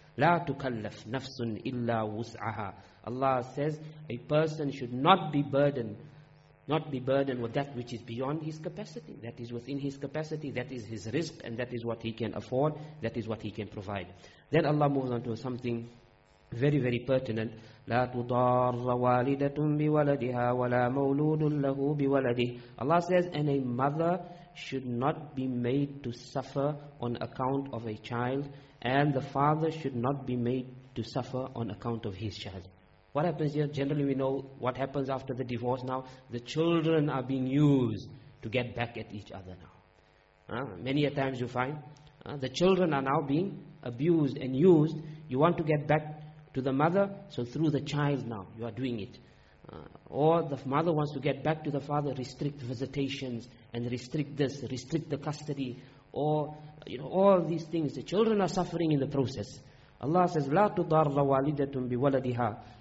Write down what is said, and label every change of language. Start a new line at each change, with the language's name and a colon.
Arabic: لا تكلف نفس إلا وسعها.
English: Allah says a person should not be burdened with that which is beyond his capacity. That is within his capacity, that is his risk, and that is what he can afford, that is what he can provide. Then Allah moves on to something very, very pertinent.
Arabic: لا تضار والدة بولدها ولا مولود له بولده.
English: Allah says, and a mother should not be made to suffer on account of a child, and the father should not be made to suffer on account of his child. What happens here? Generally we know what happens after the divorce now. The children are being used to get back at each other now. Many a times you find the children are now being abused and used. You want to get back to the mother, so through the child now you are doing it. Or the mother wants to get back to the father, restrict visitations and restrict this, restrict the custody, or you know, all these things. The children are suffering in the process. Allah says,
Arabic: لا تضار والدتم بولدها.